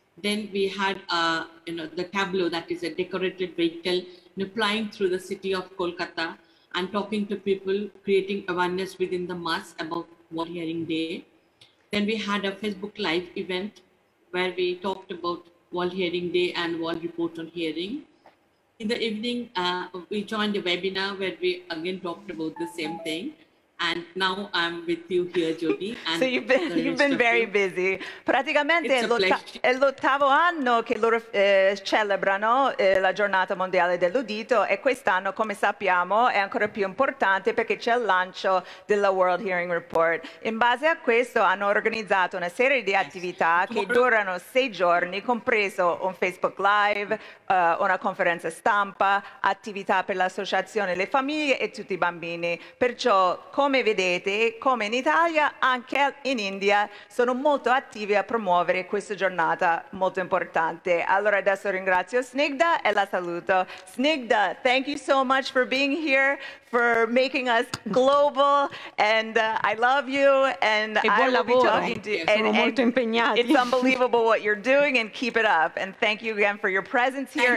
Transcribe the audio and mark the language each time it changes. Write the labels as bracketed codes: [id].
[en] Then we had the tableau, that is a decorated vehicle, you know, flying through the city of Kolkata and talking to people, creating awareness within the mass about World Hearing Day. Then we had a Facebook Live event where we talked about World Hearing Day and World Report on Hearing. In the evening, we joined a webinar where we again talked about the same thing. And now I'm with you here, Jodi. So you've been very busy. [it] Praticamente è l'ottavo anno che loro celebrano la giornata mondiale dell'udito e quest'anno, come sappiamo, è ancora più importante perché c'è il lancio della World Hearing Report. In base a questo hanno organizzato una serie di attività che durano 6 giorni, compreso un Facebook Live, una conferenza stampa, attività per l'associazione, le famiglie e tutti i bambini. Perciò, come vedete, come in Italia, anche in India, sono molto attivi a promuovere questa giornata molto importante. Allora adesso ringrazio Snigdha e la saluto. [en] Snigdha, thank you so much for being here, for making us global, and I love you, and I will be talking to you. [it] Sono molto impegnati. [en] It's unbelievable what you're doing, and keep it up. And thank you again for your presence here.